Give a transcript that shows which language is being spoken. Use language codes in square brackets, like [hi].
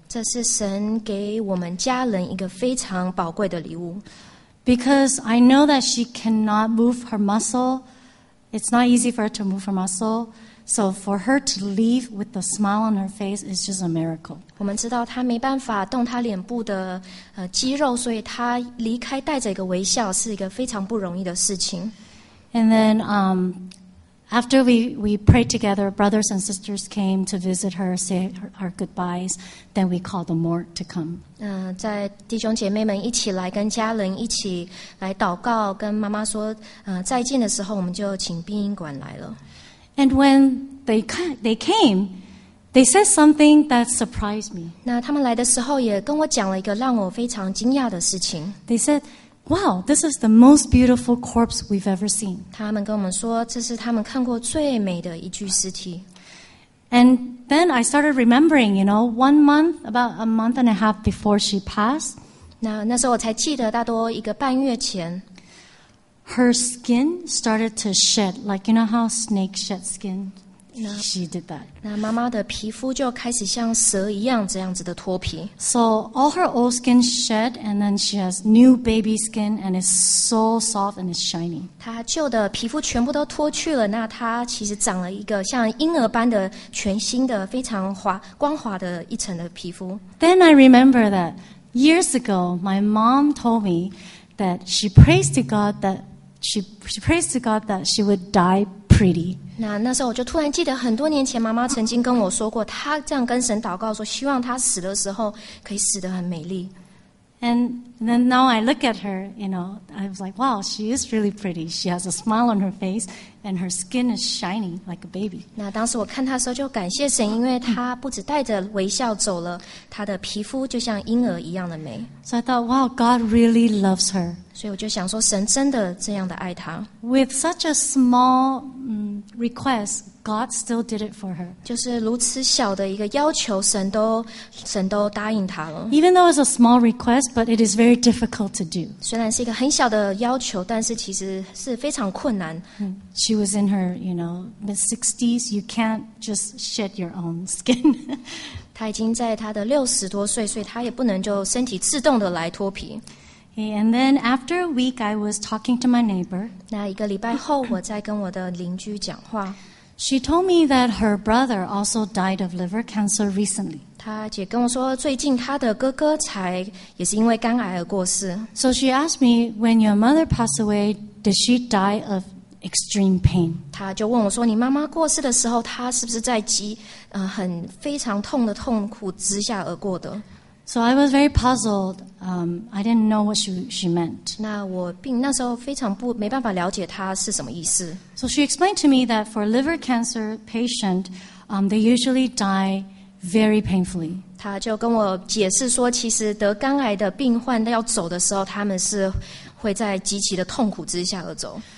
[zh] 这是神给我们家人一个非常宝贵的礼物。 [en] Because I know that she cannot move her muscle. It's not easy for her to move her muscle. So for her to leave with a smile on her face is just a miracle. [zh] 我们知道她没办法动她脸部的肌肉，所以她离开带着一个微笑是一个非常不容易的事情。 [en] And then after we prayed together, brothers and sisters came to visit her, say our goodbyes. Then we called the morgue to come. [zh] 在弟兄姐妹们一起来跟家人一起来祷告，跟妈妈说再见的时候，我们就请殡仪馆来了。 [en] And when they came, they said something that surprised me. [zh] 那他们来的时候也跟我讲了一个让我非常惊讶的事情。 [en] They said, "Wow, this is the most beautiful corpse we've ever seen." [zh] 他们跟我们说，这是他们看过最美的一具尸体。 [en] And then I started remembering, you know, about a month and a half before she passed. [zh] 那时候我才记得，大多一个半月前。 [en] Her skin started to shed, like you know how snakes shed skin. She did that. [zh] 那妈妈的皮肤就开始像蛇一样这样子的脱皮。 [en] So all her old skin shed, and then she has new baby skin, and it's so soft and it's shiny. [zh] 她旧的皮肤全部都脱去了，那她其实长了一个像婴儿般的全新的非常光滑的一层的皮肤。 [en] Then I remember that years ago, my mom told me. That she prays to God that she prays to God that she would die pretty. [zh] 那时候我就突然记得，很多年前妈妈曾经跟我说过，她这样跟神祷告说，希望她死的时候可以死得很美丽。 [en] And then now I look at her, you know, I was like, wow, she is really pretty. She has a smile on her face, and her skin is shiny like a baby. [zh] 那当时我看她的时候就感谢神，因为她不只带着微笑走了，她的皮肤就像婴儿一样的美。 [en] So I thought, wow, God really loves her. [zh] 所以我就想说，神真的这样的爱她。 [en] With such a small request, God still did it for her. [zh] 就是如此小的一个要求，神都答应她了。 [en] Even though it's a small request, but it is very difficult to do. [zh] 虽然是一个很小的要求，但是其实是非常困难。 [en] She was in her, you know, mid-60s. You can't just shed your own skin. [zh] 他已经在他的六十多岁，所以他也不能就身体自动的来脱皮。 [en] And then after a week, I was talking to my neighbor. [zh] 那一个礼拜后，我在跟我的邻居讲话。 [en] She told me that her brother also died of liver cancer recently. [zh] 她姐跟我说，最近她的哥哥才也是因为肝癌而过世。 [en] So she asked me, when your mother passed away, did she die of extreme pain? [zh] 她就问我说，你妈妈过世的时候，她是不是在极很非常痛的痛苦之下而过的？ [en] So I was very puzzled. I didn't know what she meant. [zh] 那我病那时候非常不没办法了解她是什么意思。 [en] So she explained to me that for liver cancer patient, they usually die very painfully. [zh] 她就跟我解释说，其实得肝癌的病患要走的时候，他们是会在极其的痛苦之下而走。